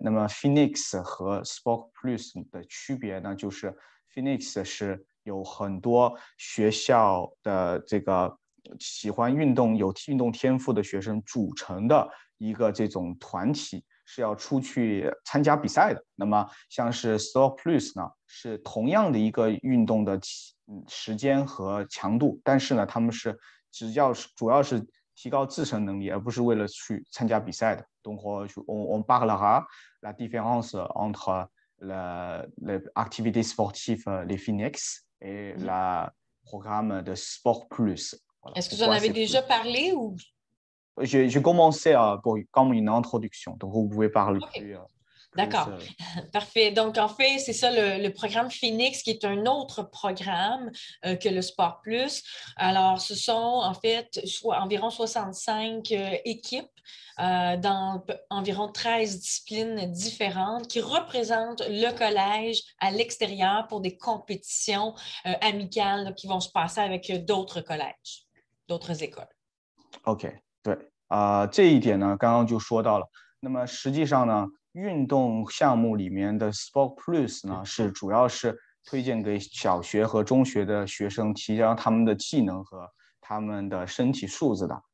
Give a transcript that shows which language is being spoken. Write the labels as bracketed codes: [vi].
[zh] 那么 Phoenix 和 Sport Plus 的区别呢，就是 Phoenix 是有很多学校的这个喜欢运动有运动天赋的学生组成的一个这种团体，是要出去参加比赛的。那么像是 Sport Plus 呢，是同样的一个运动的时间和强度，但是呢他们是只要是主要是提高自身能力，而不是为了去参加比赛的。 [fr] Donc on parle à la différence entre les activités sportives les Phoenix et le programme de Sport Plus. Voilà. Est-ce que vous en avez déjà parlé ou? J'ai commencé comme une introduction, donc vous pouvez parler. Okay. D'accord. Parfait. Donc, en fait, c'est ça le programme Phoenix, qui est un autre programme que le Sport Plus. Alors, ce sont en fait environ 65 équipes dans environ 13 disciplines différentes qui représentent le collège à l'extérieur pour des compétitions amicales qui vont se passer avec d'autres collèges, d'autres écoles. OK. [zh] 这一点呢, 刚刚就说到了, 那么实际上呢, 运动项目里面的Sport Plus呢, 是主要是推荐给小学和中学的学生，提高他们的技能和他们的身体素质的。